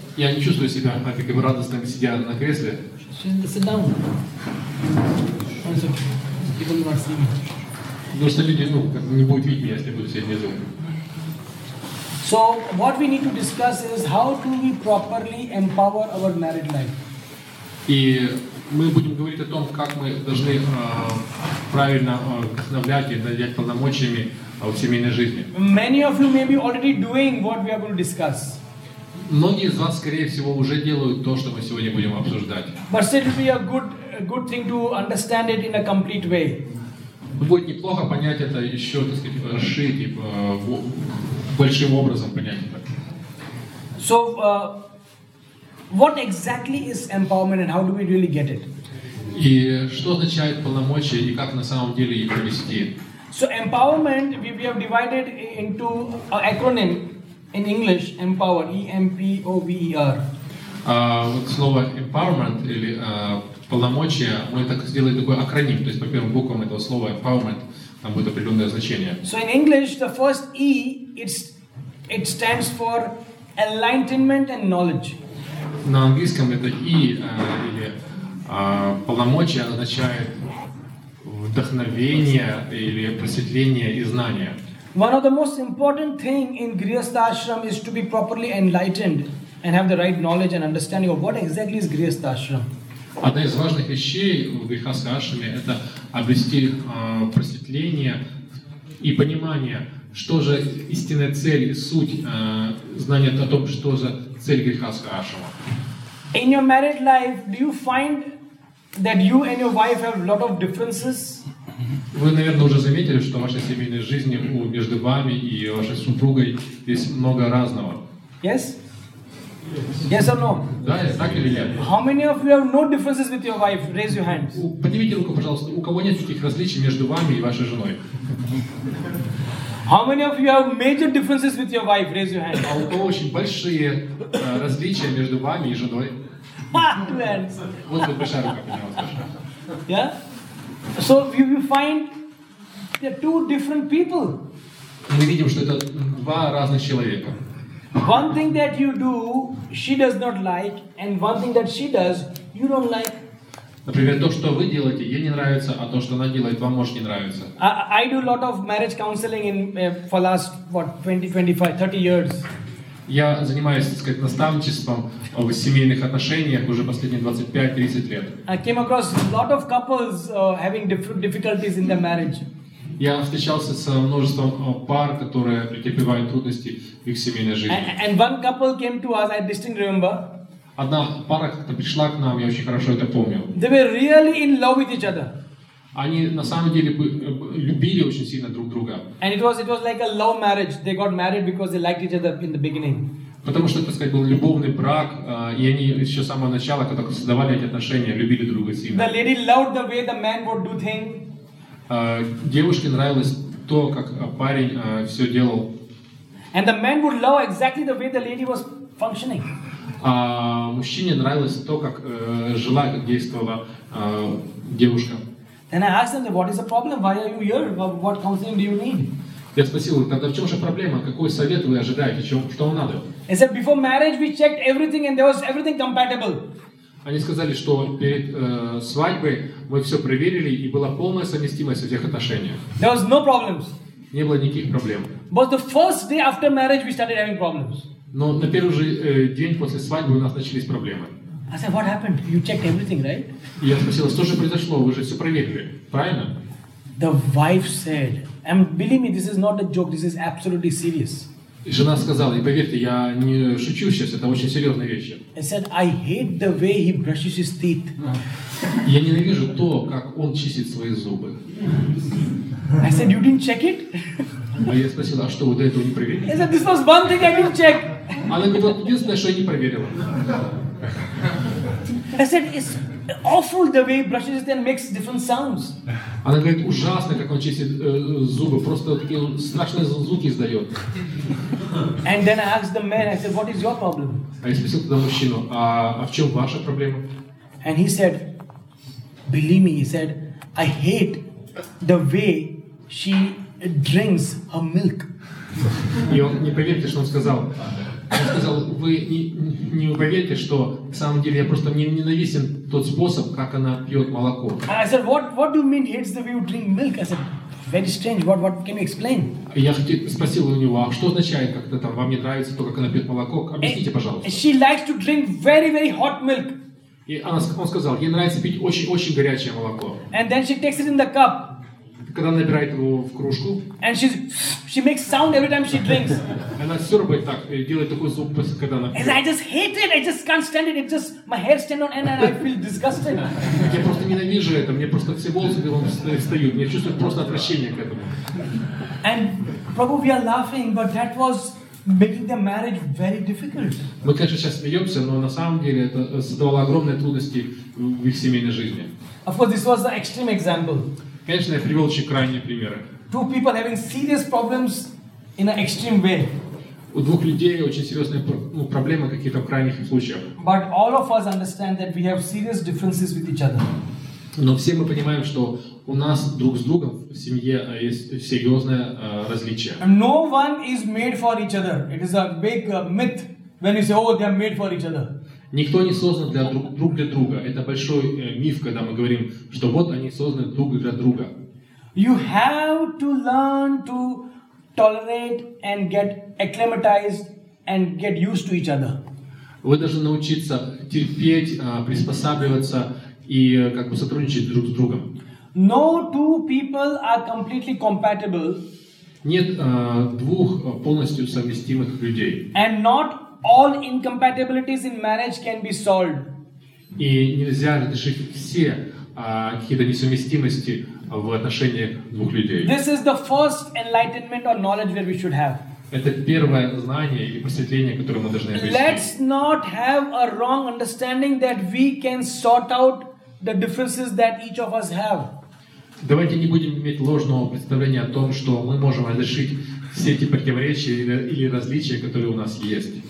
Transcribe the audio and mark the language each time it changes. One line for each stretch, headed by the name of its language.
Russian: Я не чувствую себя
English: happy,
Russian: как бы радостно сидя на кресле.
English: Sit down. Okay. People will not see me.
Russian: Потому что люди, ну, как, не будут видеть меня, если я буду сидеть внизу.
English: So, what we need to discuss is how do we properly empower our married life.
Russian: И мы будем говорить о том, как мы должны правильно вдохновлять и наделять полномочиями в семейной жизни.
English: Many of you may be already doing what we are going to discuss.
Russian: Многие из вас, скорее всего, уже делают то, что мы сегодня будем обсуждать.
English: But it will be a good thing to understand it in a complete way.
Russian: Будет неплохо понять это еще, так сказать, расширить, большим образом понять это.
English: So, what exactly is empowerment and how do we really get it?
Russian: И что означает полномочия и как на самом деле их провести?
English: So, empowerment, we have divided into an acronym in English, empower, E-M-P-O-V-E-R.
Russian: Вот слово empowerment или полномочия, мы так сделали такой акроним, то есть по первым буквам этого слова empowerment, там будет определенное значение.
English: So in English, the first E, it stands for enlightenment and knowledge.
Russian: На английском это E, или полномочия означает вдохновение или просветление и знание.
English: One of the most important thing in Grihastha Ashram is to be properly enlightened and have the right knowledge and understanding of what exactly is Grihastha Ashram.
Russian: Одна из важных вещей в Грихастха Ашраме – это обрести просветление и понимание, что же истинная цель и суть знания о том, что за цель Грихастха Ашрама.
English: In your married life, do you find that you and your wife have a lot of differences?
Russian: Вы, наверное, уже заметили, что в вашей семейной жизни между вами и вашей супругой есть много разного.
English: Yes? Yes or no?
Russian: Да, так или нет?
English: How many of you have no differences with your wife? Raise your hands.
Russian: Поднимите руку, пожалуйста. У кого нет таких различий между вами и вашей женой?
English: How many of you have major differences with your wife? Raise your hands.
Russian: А у кого очень большие различия между вами и женой?
English: Two hands.
Russian: Вот тут большая рука, пожалуйста.
English: Yeah? So you find there are two different people.
Russian: Мы видим, что это два разных человека.
English: One thing that you do, she does not like, and one thing that she does, you don't like.
Russian: Например, то, что вы делаете, ей не нравится, а то, что она делает, вам может не нравиться.
English: I do a lot of marriage counseling in for last what 20, 25, 30 years.
Russian: Я занимаюсь, так сказать, наставничеством в семейных отношениях уже последние 25-30 лет.
English: I came across a lot of couples having difficulties in their marriage.
Russian: Я встречался с множеством пар, которые претерпевают трудности в их семейной жизни.
English: And one couple came to us, I distinctly remember.
Russian: Одна пара как-то пришла к нам, я очень хорошо это помню.
English: They were really in love with each other.
Russian: Они на самом деле любили очень сильно друг друга.
English: And it was like a love marriage. They got married because they liked each other in the beginning.
Russian: Потому что, так сказать, был любовный брак, и они еще с самого начала, когда создавали эти отношения, любили друг друга сильно.
English: The lady loved the way the man would do things.
Russian: Девушке нравилось то, как парень все делал.
English: And the man would love exactly the way the lady was functioning.
Russian: Мужчине нравилось то, как жила, как действовала девушка.
English: Then I asked them, what is the problem? Why are you here? What counseling do you need?
Russian: Я спросил их, тогда в чем же проблема? Какой совет вы ожидаете? Что вам надо?
English: They said, before marriage we checked everything and there was everything compatible.
Russian: Они сказали, что перед свадьбой мы все проверили и была полная совместимость во всех отношениях.
English: There was no problems.
Russian: Не было никаких проблем.
English: But the first day after marriage we started having problems.
Russian: Но на первый же день после свадьбы у нас начались проблемы.
English: I said, what happened? You checked everything, right?
Russian: Я спросил, что же произошло? Вы же все проверили, правильно?
English: The wife said, and believe me, this is not a joke, this is absolutely serious.
Russian: Жена сказала, и поверьте, я не шучу сейчас, это очень серьезные вещи.
English: I said, I hate the way he brushes his teeth.
Russian: Я ненавижу то, как он чистит свои зубы.
English: I said, you didn't check it?
Russian: А я спросил, а что, вы до этого не проверили?
English: I said, this was one thing I didn't check.
Russian: Она говорила, единственное, что я не проверила.
English: I said, it's awful the way he brushes it and makes different sounds.
Russian: Она говорит, ужасно, как он чистит зубы, просто такие страшные звуки издает.
English: And then I asked the man, I said, what is your problem?
Russian: А я спросил тогда мужчину, а в чем ваша проблема?
English: And he said, believe me, he said, I hate the way she drinks her milk.
Russian: И он, не поверите, что он сказал. Он сказал, вы не поверите, что на самом деле я просто мне ненавистен тот способ, как она пьет молоко.
English: I said, what do you mean hates the way you drink milk? I said, very strange. What can you explain?
Russian: Я спросил у него, а что означает, как это там вам не нравится то, как она пьет молоко? Объясните, пожалуйста.
English: She likes to drink very very hot milk.
Russian: И он сказал, ей нравится пить очень очень горячее молоко.
English: And then she takes it in the cup.
Russian: Когда она набирает его в кружку.
English: And she makes sound every time she drinks.
Russian: Она сюрбает так, делает такой звук, когда она пьет.
English: And I just hate it, I just can't stand it. It just, my hair stand on end and I feel disgusted.
Russian: Я просто ненавижу это, мне просто все волосы белом встают. Мне чувствуют просто отвращение к этому.
English: And probably we are laughing, but that was making the marriage very difficult.
Russian: Мы, конечно, сейчас смеемся, но на самом деле это создавало огромные трудности в их семейной жизни.
English: Of course, this was the extreme example.
Russian: Конечно, я привел очень крайние примеры.
English: Two people having serious problems in an extreme way.
Russian: У двух людей очень серьезные проблемы какие-то в крайних случаях.
English: But all of us understand that we have serious differences with each other.
Russian: Но все мы понимаем, что у нас друг с другом в семье есть серьезное различие.
English: No one is made for each other. It is a big myth when you say, oh, they are made for each other.
Russian: Никто не создан для друг для друга. Это большой миф, когда мы говорим, что вот они созданы друг для друга.
English: You have to learn to tolerate and get acclimatized and get used to each other.
Russian: Вы должны научиться терпеть, приспосабливаться и как бы сотрудничать друг с другом.
English: No two people are completely compatible.
Russian: Нет двух полностью совместимых людей.
English: And not all incompatibilities in marriage can be solved.
Russian: И нельзя решить все какие-то несовместимости в отношениях двух людей.
English: This is the first enlightenment or knowledge that we should have.
Russian: Это первое знание и просветление, которое мы должны обрести.
English: Let's not have a wrong understanding that we can sort out the differences that each of us have.
Russian: Давайте не будем иметь ложного представления о том, что мы можем разрешить все эти противоречия или различия, которые у нас есть.